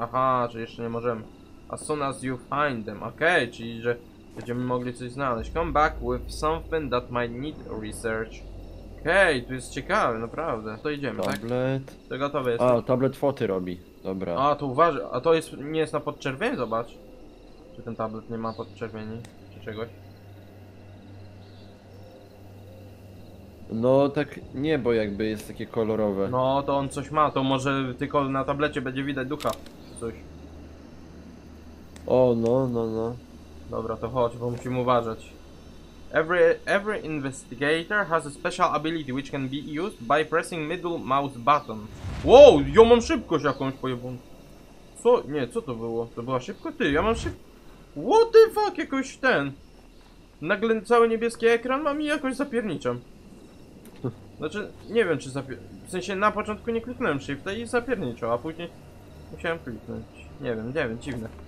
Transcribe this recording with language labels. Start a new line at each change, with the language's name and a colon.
Polish: Aha, że jeszcze nie możemy.
English: As soon as you find them.
Polish: Okej, okay, czyli że będziemy mogli coś znaleźć.
English: Come back with something that might need research.
Polish: Okej, okay, tu jest ciekawe, naprawdę. To idziemy, tablet. Tak? To gotowe jest. A, tablet foty robi. Dobra. A, to uważaj. A to jest, nie jest na podczerwień? Zobacz. Czy ten tablet nie ma podczerwieni? Czy czegoś? No tak niebo jakby jest takie kolorowe. No to on coś ma, to może tylko na tablecie będzie widać ducha coś. O no. Dobra, to chodź, bo musimy uważać.
English: Every investigator has a special ability which can be used by pressing middle mouse button.
Polish: Wow, ja mam szybkość jakąś pojebą. Co? Nie, co to było? To była szybkość? Ty, ja mam szybkość.
English: What the fuck,
Polish: jakoś ten. Nagle cały niebieski ekran mam i jakoś zapierniczam. Znaczy, nie wiem czy w sensie na początku nie kliknąłem shifta i zapierniczał, a później musiałem kliknąć. Nie wiem, dziwne.